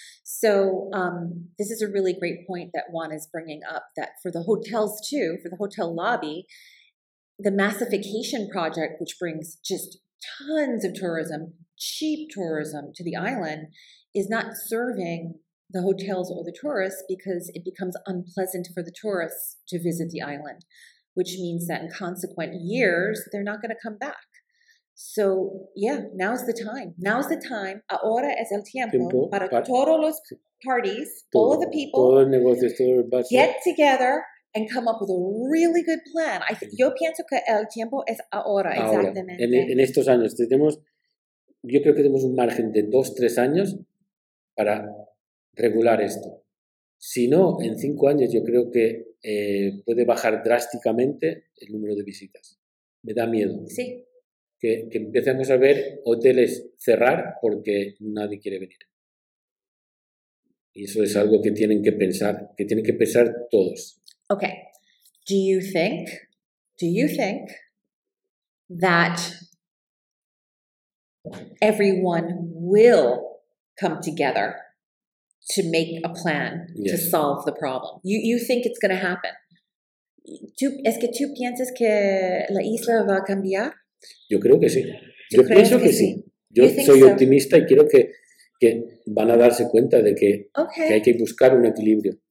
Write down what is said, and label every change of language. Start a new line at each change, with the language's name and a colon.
English: So, this is a really great point that Juan is bringing up, that for the hotels too, for the hotel lobby, the massification project, which brings just tons of tourism, cheap tourism to the island, is not serving the hotels or the tourists because it becomes unpleasant for the tourists to visit the island, which means that in consequent years, they're not going to come back. So, yeah, now's the time. Now's the time.
Spanish: Ahora es el tiempo para todos los
English: parties, all of the people,
Spanish: todo el negocio, todo el paso,
English: get together and come up with a really good plan.
Spanish: Yo pienso que el tiempo es ahora, exactamente. En estos años, yo creo que tenemos un margen de 2-3 años para regular esto. Si no, en 5 años yo creo que puede bajar drásticamente el número de visitas. Me da miedo. Sí. Que empecemos a ver hoteles cerrar porque nadie quiere venir. Y eso es algo que tienen que pensar, todos.
English: Okay. Do you think that everyone will come together to make a plan to solve the problem? You think it's going to happen?
Spanish: ¿Es que tú piensas que la isla va a cambiar? Yo creo que sí. Yo pienso que sí. Yo soy optimista y quiero que van a darse cuenta de que, que hay que buscar un equilibrio.